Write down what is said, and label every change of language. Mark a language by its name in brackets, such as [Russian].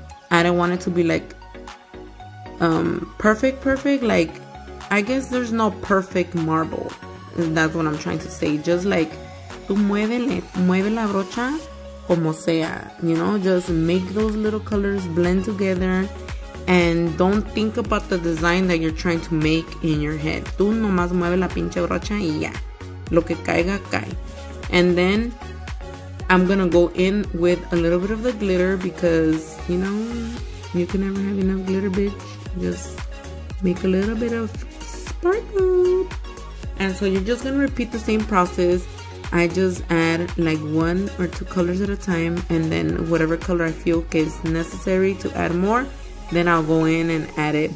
[English] I don't want it to be, like, perfect, like, I guess there's no perfect marble, that's what I'm trying to say, just, like, [Spanish] tú mueve la brocha como sea, [English] you know, just make those little colors blend together and don't think about the design that you're trying to make in your head. [Spanish] Tú nomás mueve la pinche brocha y ya, lo que caiga, cae. [English] And then I'm gonna go in with a little bit of the glitter because, you know, you can never have enough glitter, bitch. Just make a little bit of sparkle. And so you're just gonna repeat the same process. I just add, like, one or two colors at a time, and then whatever color I feel is necessary to add more, then I'll go in and add it.